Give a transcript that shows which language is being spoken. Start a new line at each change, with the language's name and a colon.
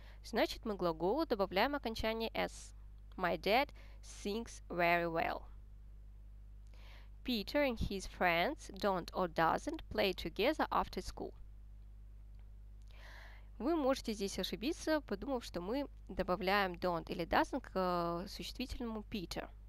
Russian: Значит, мы глаголу добавляем окончание s.
English: My dad sings very well. Peter and his friends don't or doesn't play together after school.
Russian: Вы можете здесь ошибиться, подумав, что мы добавляем don't или doesn't к существительному Peter.